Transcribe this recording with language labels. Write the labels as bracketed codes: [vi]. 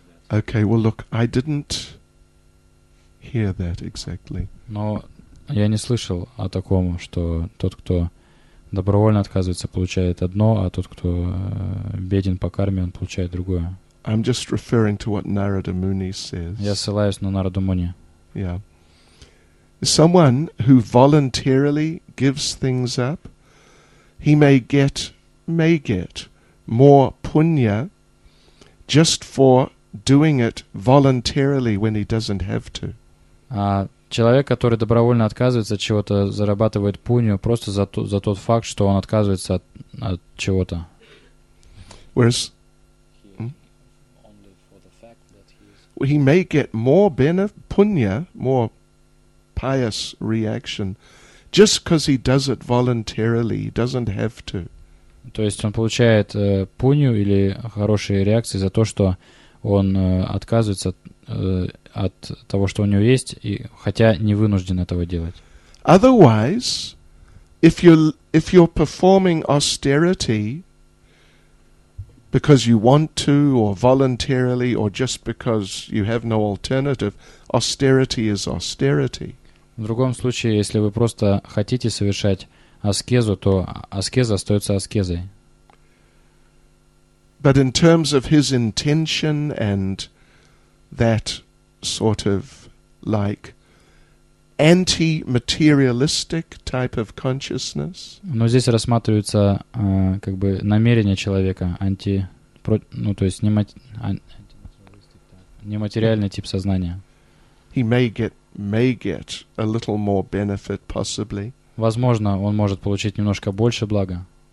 [en] Okay, well, look, I didn't hear that exactly. [ru] Но я не слышал о таком, что тот, кто добровольно отказывается, получает одно, а тот, кто беден по карме, он получает другое. [en] I'm just referring to what Narada Muni says. [ru] Я ссылаюсь на Нараду Муни. [en] Yeah. Someone who voluntarily gives things up, he may get more punya just for doing it voluntarily when he doesn't have to. [ru] Человек, который добровольно отказывается от чего-то, зарабатывает пунью просто за тот факт, что он отказывается от чего-то. [en] Whereas only for the fact that he may get more punya, more pious reaction just because he does it voluntarily, he doesn't have to. [ru] То есть он получает пуню или хорошие реакции за то, что он отказывается от того, что у него есть, и, хотя не вынужден этого делать. [en] Otherwise, if you're performing austerity because you want to, or voluntarily, or just because you have no alternative, austerity is austerity. [ru] В другом случае, если вы просто хотите совершать аскезу, то аскеза остается аскезой. [en] But in terms of his intention and that sort of like anti-materialistic type of consciousness. [ru] Но здесь рассматривается как бы намерение человека анти, ну то есть нематериальный тип сознания. [en] He may get a little more benefit possibly. [ru] Возможно, он может получить немножко больше блага.